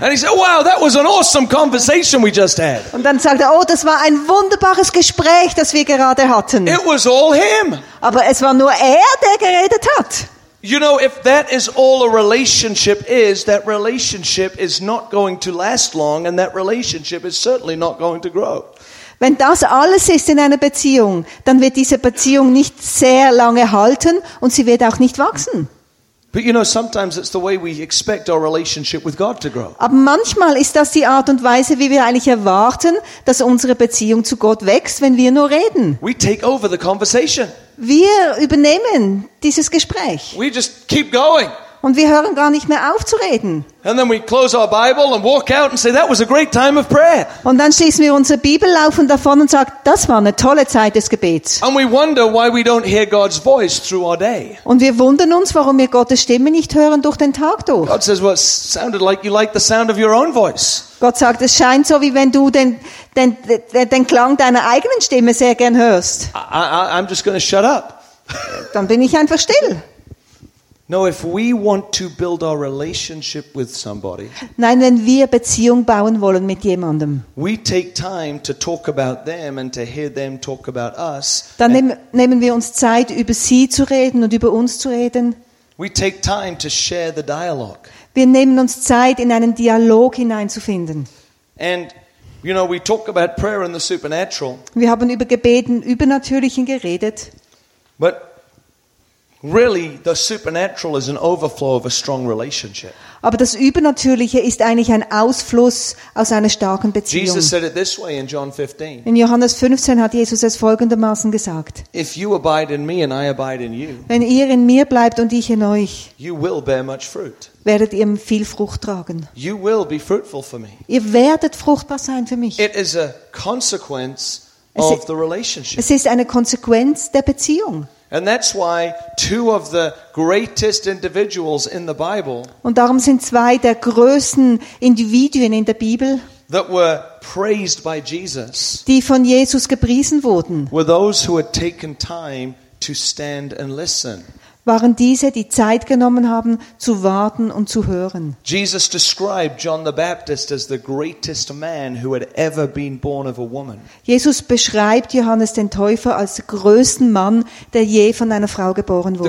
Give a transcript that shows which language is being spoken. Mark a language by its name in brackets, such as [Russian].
[English] And he said, "Wow, that was an awesome conversation we just had." [German] Und dann sagt er, oh, das war ein wunderbares Gespräch, das wir gerade hatten. [English] It was all him. [German] Aber es war nur er, der geredet hat. [English] You know, if that is all a relationship is not going to last long and that relationship is certainly not going to grow. [German] Wenn das alles ist in einer Beziehung, dann wird diese Beziehung nicht sehr lange halten und sie wird auch nicht wachsen. [English] But you know, sometimes it's the way we expect our relationship with God to grow. [German] Aber manchmal ist das die Art und Weise, wie wir eigentlich erwarten, dass unsere Beziehung zu Gott wächst, wenn wir nur reden. [English] We take over the conversation. [German] Wir übernehmen dieses Gespräch. [English] We just keep going. [German] Und wir hören gar nicht mehr auf zu reden. [English] And then we close our Bible and walk out and say that was a great time of prayer. [German] Und dann schließen wir unsere Bibel auf und davon und sagen, das war eine tolle Zeit des Gebets. [English] And we wonder why we don't hear God's voice through our day. [German] Und wir wundern uns, warum wir Gottes Stimme nicht hören durch den Tag durch. [English] God says, well, it sounded like you like the sound of your own voice. [German] Gott sagt, es scheint so, wie wenn du den Klang deiner eigenen Stimme sehr gern hörst. [English] I'm just going to shut up. [German] Dann bin ich einfach still. [English] No, if we want to build our relationship with somebody, [German] nein, wenn wir Beziehung bauen wollen mit jemandem, [English] we take time to talk about them and to hear them talk about us. [German] Dann nehmen wir uns Zeit, über sie zu reden und über uns zu reden. [English] We take time to share the dialogue. [German] Wir nehmen uns Zeit, in einen Dialog hineinzufinden. [English] And you know, we talk about prayer and the supernatural. [German] Wir haben über Gebeten, Übernatürlichen geredet. [English] But really, the supernatural is an overflow of a strong relationship. [German] Aber das Übernatürliche ist eigentlich ein Ausfluss aus einer starken Beziehung. [English] Jesus said it this way in John 15. [German] In Johannes 15 hat Jesus es folgendermaßen gesagt: [English] If you abide in me and I abide in you, [German] wenn ihr in mir bleibt und ich in euch, [English] you will bear much fruit. [German] Werdet ihr viel Frucht tragen. [English] You will be fruitful for me. [German] Ihr werdet fruchtbar sein für mich. [English] It is a consequence of the relationship. [German] Es ist eine Konsequenz der Beziehung. [English] And that's why two of the greatest individuals in the Bible, [German] und darum sind zwei der größten Individuen in der Bibel, [English] that were praised by Jesus, [German] die von Jesus gepriesen wurden, [English] were those who had taken time to stand and listen. [German] Waren diese, die Zeit genommen haben, zu warten und zu hören. [English] Jesus described John the Baptist as the greatest man who had ever been born of a woman. [German] Jesus beschreibt Johannes den Täufer als den größten Mann, der je von einer Frau geboren wurde.